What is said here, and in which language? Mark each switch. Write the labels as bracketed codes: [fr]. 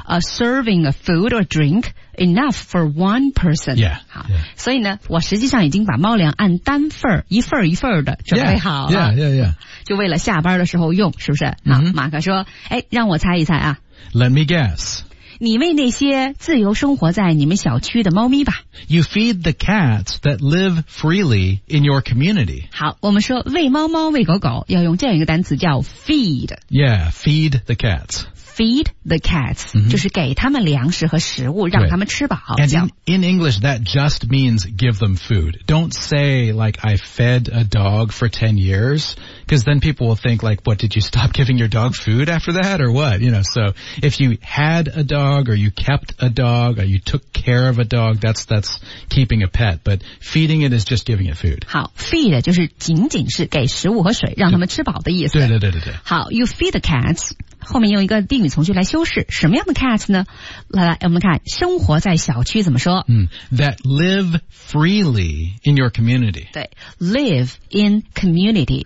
[en] A serving of food or drink enough for one person. Yeah. 好。 [zh] 所以呢我实际上已经把猫粮按单份一份一份的准备好了。 Yeah. 就为了下班的时候用是不是、 mm-hmm. 好马克说哎让我猜一猜啊。 [en] Let me guess. [zh] 你喂那些自由生活在你们小区的猫咪吧。 [en] You feed the cats that live freely in your community. [zh] 好我们说喂猫猫喂狗狗要用这样一个单词叫 feed. [en] Yeah, feed the cats. Feed the cats,、 mm-hmm. [zh] 就是给他们粮食和食物让他们吃饱。 [en] And in English, that just means give them food. Don't say like, I fed a dog for 10 years, because then people will think like, what, did you stop giving your dog food after that or what? You know, so if you had a dog or you kept a dog or you took care of a dog, that's keeping a pet. But feeding it is just giving it food. [zh] 好 feed 就是仅仅是给食物和水让他们吃饱的意思。对对对对对。 [en] 好 you feed the cats. [zh] 后面用一个定语从句来修饰什么样的 cats 呢 来我们看生活在小区怎么说、 [en] That live freely in your community 对 live in community、